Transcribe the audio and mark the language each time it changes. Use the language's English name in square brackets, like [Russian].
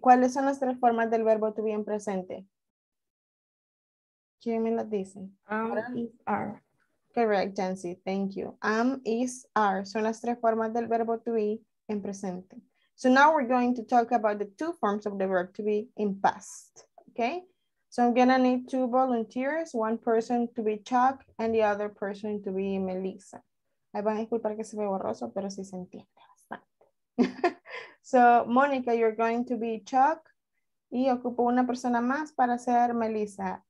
[Spanish] ¿Cuáles son las tres formas del verbo to be en presente? ¿Quién me las dice? [English] Are. Correct, Jancy. Thank you. Am, is, are. [Spanish] Son las tres formas del verbo to be en presente. [English] So now we're going to talk about the two forms of the verb to be in past. Okay? So I'm going to need two volunteers, one person to be Chuck and the other person to be Melissa. [Spanish] Ahí van a disculpar que se ve borroso, pero sí se entiende bastante. So, Monica, [English] you're going to be Chuck. [Spanish] Y ocupo una persona más para ser Melissa.